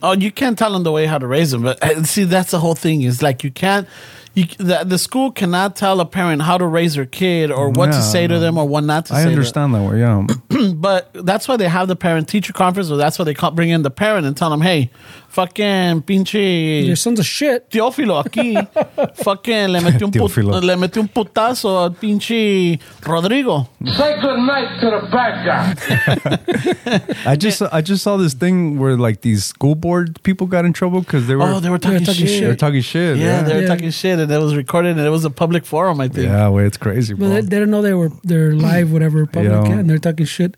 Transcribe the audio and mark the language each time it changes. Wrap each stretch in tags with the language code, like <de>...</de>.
<en>Oh, you can't tell them the way how to raise them. But see, that's the whole thing is like, you can't, the school cannot tell a parent how to raise their kid or what to say to them or what not to say to them. I understand that way, But that's why they have the parent-teacher conference, or that's why they can't bring in the parent and tell them, hey, fucking pinche... your son's a shit.</en> <es>Teófilo aquí. Fucking le metió un putazo a pinche Rodrigo.</es> <en>Say goodnight to the bad guy. I just saw this thing where like these school board people got in trouble because they were talking shit. They were talking shit. Yeah, they were talking shit. And it was recorded and it was a public forum, I think. Yeah, well, it's crazy, bro. But they didn't know they're live, whatever, public, and they're talking shit.</en>